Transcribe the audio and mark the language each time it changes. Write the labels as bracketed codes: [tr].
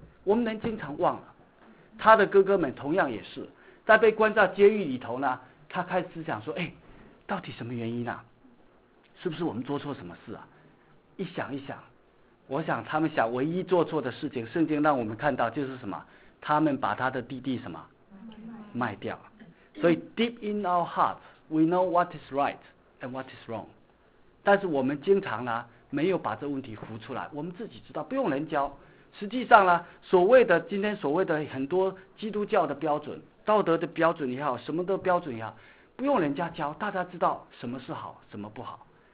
[zh] 我们人经常忘了。他的哥哥们同样也是，在被关在监狱里头呢，他开始想说，哎，到底什么原因啊？是不是我们做错什么事啊？一想一想，我想他们想唯一做错的事情，圣经让我们看到就是什么？他们把他的弟弟什么卖掉。 [en] 所以 deep in our heart, we know what is right and what is wrong. [zh] 但是我们经常呢没有把这问题浮出来，我们自己知道，不用人教。实际上呢，所谓的今天所谓的很多基督教的标准、道德的标准也好，什么的标准也好，不用人家教，大家知道什么是好，什么不好。